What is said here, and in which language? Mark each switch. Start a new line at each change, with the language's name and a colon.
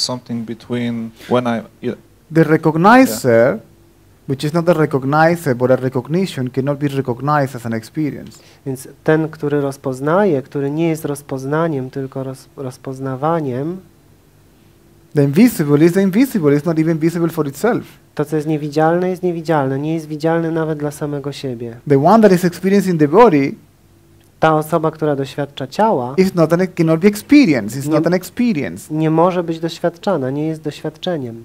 English: Something between when I. The recognizer, which is not the recognizer, but a recognition cannot be recognized as an experience.
Polish: Więc ten, który rozpoznaje, który nie jest rozpoznaniem, tylko rozpoznawaniem.
English: The invisible is invisible, it's not even visible for itself.
Polish: To, co jest niewidzialne, nie jest widzialne nawet dla samego siebie.
English: The one that is experiencing the body,
Polish: ta osoba, która doświadcza ciała,
English: is not cannot be experienced, it's not an experience.
Polish: Nie może być doświadczana, nie jest doświadczeniem.